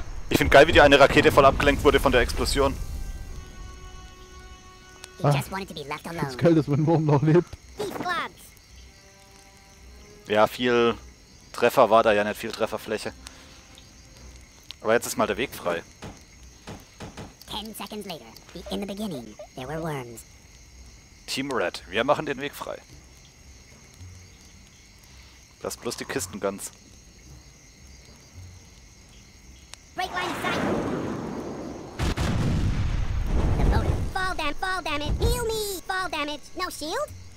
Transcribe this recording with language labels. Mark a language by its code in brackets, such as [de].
[de] Ich finde geil, wie die eine Rakete voll abgelenkt wurde von der Explosion. Ah, ich finde es geil, dass mein Wurm noch lebt. Ja, viel Treffer war da ja nicht, viel Trefferfläche. Aber jetzt ist mal der Weg frei. [en] 10 seconds later, in the beginning, there were worms. [de] Team Red, wir machen den Weg frei. Lass bloß die Kisten ganz. [en] Break line of sight. The motor. Fall damage. Heal me. Fall damage. No shield.